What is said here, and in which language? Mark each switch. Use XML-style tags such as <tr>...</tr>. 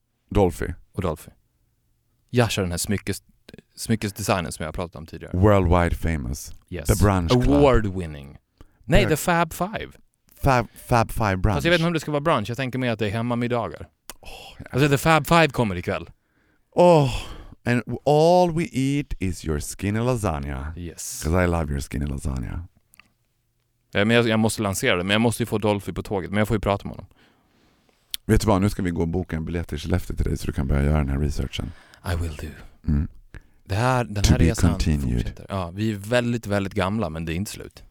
<sv>Dolphy. Och Dolphy. Yashar, den här smyckesdesignen som jag pratade om tidigare.</sv> <en>Worldwide famous. Yes. The brunch club. Award winning.</en> <sv>Nej,</sv> <en>The Fab Five. Fab Five brunch.</en> <sv>Fast jag vet inte om det ska vara brunch. Jag tänker mig att det är hemma middagar. Alltså The Fab Five kommer ikväll.</sv> <en>Oh, and all we eat is your skinny lasagna. Yes. Because I love your skinny lasagna.</en> <sv>Ja, men jag måste lansera det, men jag måste ju få Dolphy på tåget. Men jag får ju prata med honom. Vet du vad, nu ska vi gå och boka en biljett till Skellefteå till dig så du kan börja göra den här researchen.</sv> <en>I will do. Mm.</en> <sv>Den här resan</sv> <en>continued.</en> <sv>Fortsätter. Ja, vi är väldigt, väldigt gamla, men det är inte slut.</sv>